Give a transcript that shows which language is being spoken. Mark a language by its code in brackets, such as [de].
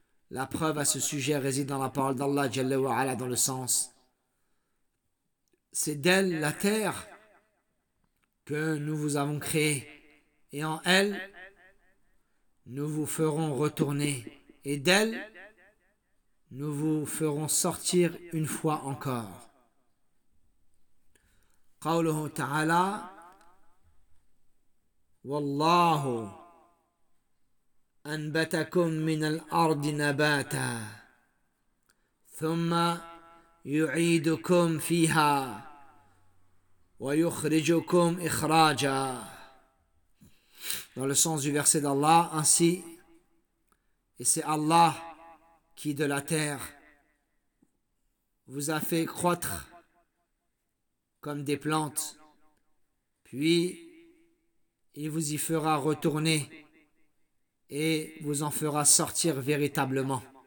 [fr] La preuve à ce sujet réside dans la parole d'Allah Jalla wa Ala dans le sens « C'est d'elle la terre que nous vous avons créée et en elle nous vous ferons retourner et d'elle nous vous ferons sortir une fois encore. » [ar] قوله تعالى والله أنبتكم من الأرض نباتا ثم يعيدكم فيها ويخرجكم إخراجا. [fr] Dans le sens du verset d'Allah, ainsi, et c'est Allah qui de la terre vous a fait croître comme des plantes, puis il vous y fera retourner et vous en fera sortir véritablement.